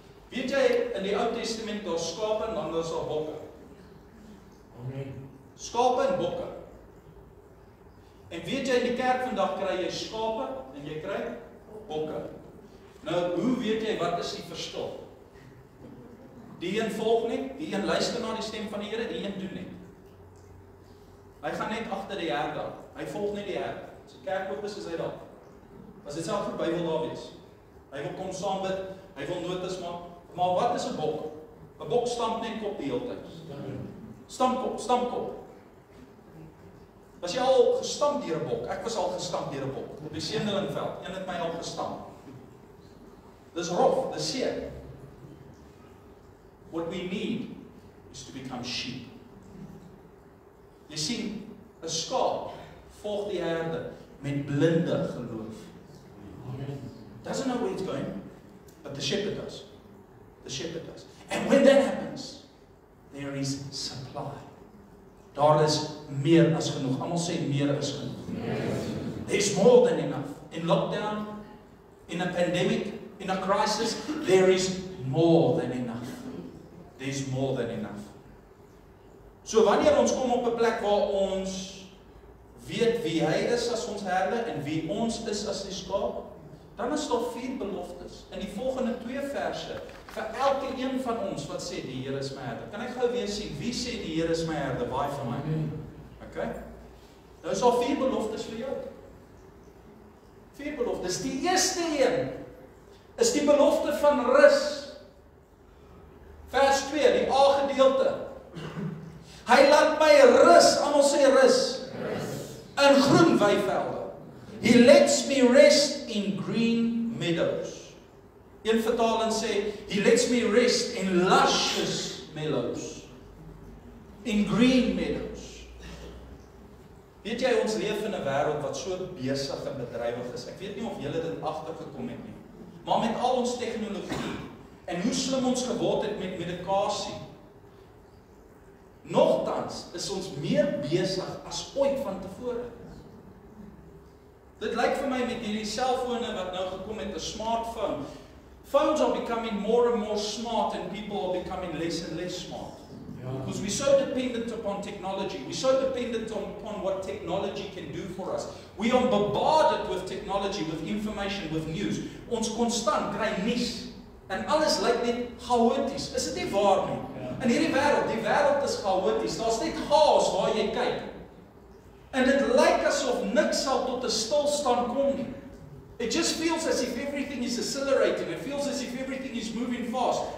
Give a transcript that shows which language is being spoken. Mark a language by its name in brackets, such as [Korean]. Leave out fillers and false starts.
[Afrikaans] in die Ou Testament daar skape en dan was daar bokke. Amen. Skape en bokke. En weet jy in die kerk vandag kry jy skape en jy kry bokke. Nou, hoe weet jy wat is die verskil? Die een volg net, die een luister na die stem van die Here, die een doen net. Hy gaan net agter die herde aan. Hy volg net die herde. As die kerk oop is, is hy daar. As hy self verby wil daar wees. Hy wil kom saam bid, hy wil notas maak. Maar wat is 'n bok? 'N bok stamp net kop die hele tyd. Stamp kop. Was jy al gestamp deur 'n bok? Ek was al gestamp deur 'n bok. Op die Seendelingveld, een het my al gestamp. Dis rof, dis seer. [English] What we need is to become sheep. [Afrikaans] Jy sien, 'n skaap volg die herde met blinde geloof. [English] Doesn't know where it's going, but the shepherd does. The shepherd does. And when that happens, there is supply. [Afrikaans] Daar is meer as genoeg. Almal sê meer as genoeg. [English] There's more than enough. In lockdown, in a pandemic, in a crisis, there is more than enough. There's more than enough. [Afrikaans] So wanneer ons kom op 'n plek waar ons weet wie hy is as ons herde en wie ons is as die skaap, dan is daar vier beloftes in die volgende twee verse vir elke een van ons wat sê die Here is my herder. Kan ek gou weer sê wie sê die Here is my herder? Baie van my. Okay. Nou is daar vier beloftes vir jou. Vier beloftes. Die eerste een is die belofte van rus. Vers 2, die A gedeelte. Hy laat my rus, almal sê rus. In groen weivelde. [English] He lets me rest in green meadows. [Afrikaans] Een vertaling sê, [English] he lets me rest in luscious meadows. In green meadows. [Afrikaans] Weet jy, ons leef in 'n wêreld wat so besig en bedrywig is. Ek weet nie of julle dit agtergekom het nie. Maar met al ons tegnologie en hoe slim ons geword het met medikasie, nogtans is ons meer besig as ooit van tevore. Dit lyk vir my met hierdie selfone wat nou gekom het, 'n smartphone. [English] Phones are becoming more and more smart and people are becoming less and less smart. Yeah. Because we're so dependent upon technology. We're so dependent upon what technology can do for us. We are bombarded with technology, with information, with news. [Afrikaans] Ons konstant kry nuus. En alles lyk net chaoties. Is dit nie waar nie? Yeah. In hierdie wêreld, die wêreld is chaoties. Daar's net chaos waar jy kyk. En dit lyk asof niks sal tot 'n stilstand kom nie. [English] It just feels as if everything is accelerating. It feels as if everything is moving fast.